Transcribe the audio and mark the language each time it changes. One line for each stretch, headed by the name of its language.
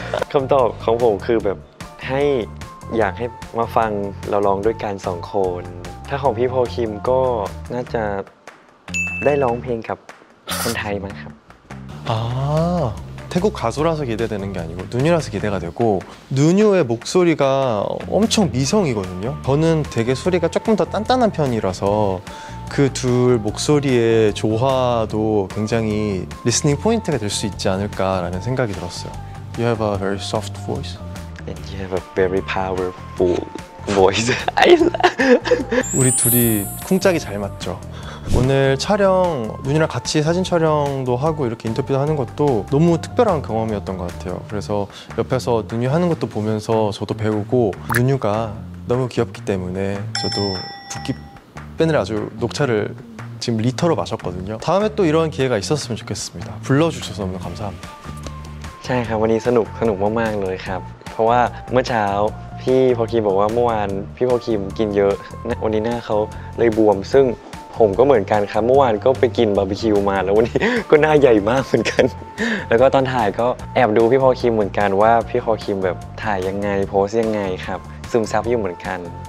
Korean: 그럼
Thai: อยากให้มาฟังเราลองด้วยกันสองคนถ้าของพี่โพคิมก็น่าจะได้ร้องเพลงกับคนไทยมั้งครับ
Korean: 아, 태국 가수라서 기대되는 게 아니고 눈이라서 기대가 되고 누뉴의 목소리가 엄청 미성이거든요. 저는 되게 소리가 조금 더 단단한 편이라서 그 둘 목소리의 조화도 굉장히 리스닝 포인트가 될 수 있지 않을까라는 생각이 들었어요.
English: You have a very soft voice. And you have a very powerful voice. I love.
Korean: 우리 둘이 쿵짝이 잘 맞죠. 오늘 촬영, 누니랑 같이 사진 촬영도 하고 이렇게 인터뷰도 하는 것도 너무 특별한 경험이었던 것 같아요. 그래서 옆에서 누니 하는 것도 보면서 저도 배우고 누니가 너무 귀엽기 때문에 저도 붓기 빼느라 아주 녹차를 지금 리터로 마셨거든요. 다음에 또 이런 기회가 있었으면 좋겠습니다. 불러주셔서 너무 감사합니다.
Thai: ใช่ครับวันนี้สนุกมากๆเลยครับ เพราะว่าเมื่อเช้าพี่พอคิมบอกว่าเมื่อวานพี่พอคิมกินเยอะวันนี้หน้าเขาเลยบวมซึ่งผมก็เหมือนกันครับเมื่อวานก็ไปกินบาร์บีคิวมาแล้ววันนี้ก็หน้าใหญ่มากเหมือนกันแล้วก็ตอนถ่ายก็แอบดูพี่พอคิมเหมือนกันว่าพี่พอคิมแบบถ่ายยังไงโพสยังไงครับซึมซับอยู่เหมือนกัน